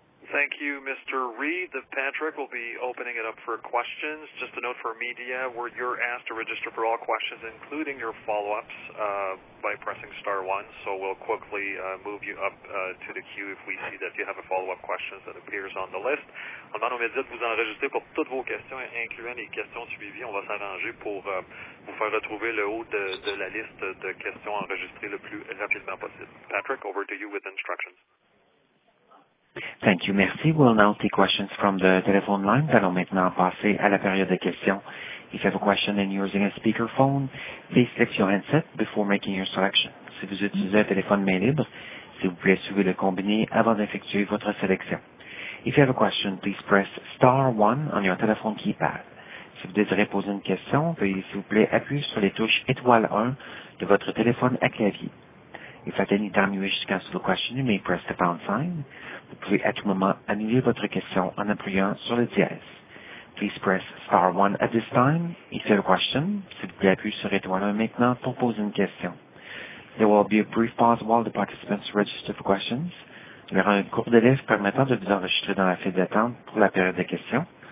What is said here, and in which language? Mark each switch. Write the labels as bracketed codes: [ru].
[en] Thank you, Mr. Reed. Patrick will be opening it up for questions. Just a note for media, where you're asked to register for all questions, including your follow-ups, by pressing star one. So we'll quickly move you up to the queue if we see that you have a follow-up question that appears on the list. [fr] En tant que média, vous enregistrez pour toutes vos questions, incluant les questions suivies. On va s'arranger pour vous faire retrouver le haut de la liste de questions enregistrées le plus rapidement possible. [en] Patrick, over to you with instructions. Thank you, merci. We'll now take questions from the telephone line. [fr] Allons maintenant passer à la période de questions. [en] If you have a question and you're using a speakerphone, please lift your handset before making your selection. [fr] Si vous utilisez un téléphone main libre, s'il vous plaît, suivez le combiné avant d'effectuer votre sélection. [en] If you have a question, please press star 1 on your telephone keypad. [fr] Si vous désirez poser une question, veuillez s'il vous plaît appuyer sur les touches étoile 1 de votre téléphone à clavier. [en] If at any time you wish to cancel the question, you may press the pound sign. [fr] Vous pouvez à tout moment annuler votre question en appuyant sur le dièse. [en] Please press star 1 at this time. If you have a question, [fr] s'il vous plaît appuyez sur étoile 1 maintenant pour poser une question. [en] There will be a brief pause while the participants register for questions. [fr] Il y aura un court délai permettant de vous enregistrer dans la file d'attente pour la période de questions.